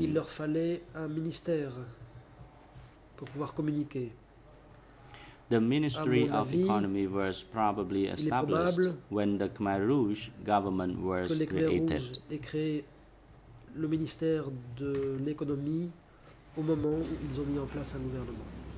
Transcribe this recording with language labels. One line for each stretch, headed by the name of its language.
French: il leur fallait un ministère pour pouvoir communiquer.
English: The Ministry of Economy was probably established when the Khmer Rouge government was created.
French: Et créé le ministère de l'économie au moment où ils ont mis en place un gouvernement.